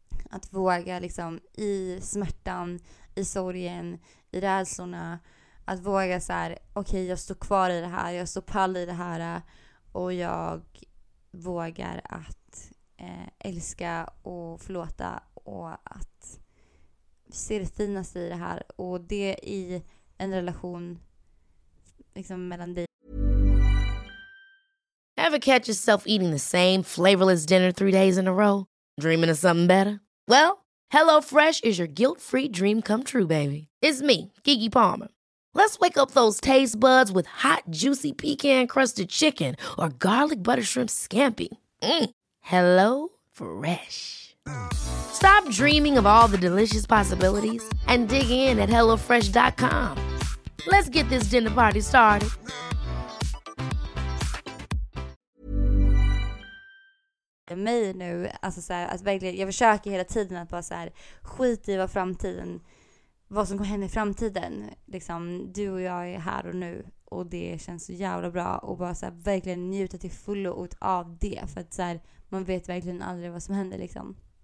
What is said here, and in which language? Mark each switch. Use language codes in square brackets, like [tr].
[sv] att våga liksom i smärtan, i sorgen, i rädslorna, att våga så här, okej, jag står kvar i det här, jag står pall i det här, och jag vågar att älska och förlåta och att se det finaste i det här, och det i en relation liksom mellan dig. [en] Ever catch yourself eating the same flavorless dinner 3 days in a row? Dreaming of something better? Well, HelloFresh is your guilt-free dream come true, baby. It's me, Keke Palmer. Let's wake up those taste buds with hot, juicy pecan-crusted chicken or garlic butter shrimp scampi. Mm. HelloFresh. Stop dreaming of all the delicious possibilities and dig in at HelloFresh.com. Let's get this dinner party started. [sv] Mig nu, alltså så här, att verkligen, jag försöker hela tiden att bara så här, skit i vad framtiden, vad som kommer hända i framtiden liksom, du och jag är här och nu, och det känns så jävla bra, och bara så här, verkligen njuta till fullo ut av det, för att så här, man vet verkligen aldrig vad som händer liksom.